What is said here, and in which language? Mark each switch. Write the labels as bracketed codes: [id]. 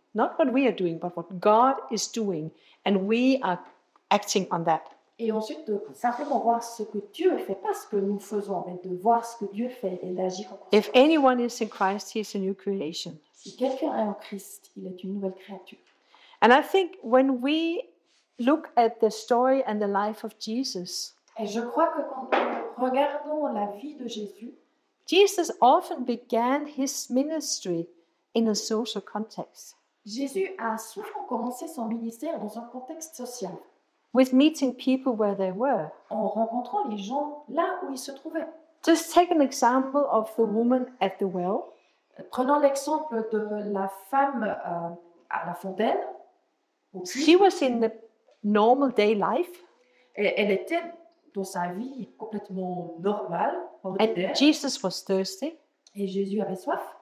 [en] Not what we are doing, but what God is doing. And we are acting on that. [fr] Et ensuite, de simplement voir ce que Dieu fait, pas ce que nous faisons, mais de voir ce que Dieu fait et d'agir en conscience. [en] If anyone is in Christ, he is a new creation. [fr] Si quelqu'un est en Christ, il est une nouvelle créature. [en] And I think when we look at the story and the life of Jesus, [fr] et je crois que quand nous regardons la vie de Jésus, [en] Jesus often began his ministry in a social context. [fr] Jésus a souvent commencé son ministère dans un contexte social. [en] With meeting people where they were. [fr] En rencontrant les gens là où ils se trouvaient. [en] Just take an example of the woman at the well. [fr] Prenons l'exemple de la femme à la fontaine. [en] She was in the normal day life. [fr] Et elle était dans sa vie complètement normale. [en] And Jesus was thirsty. [fr] Et Jésus avait soif.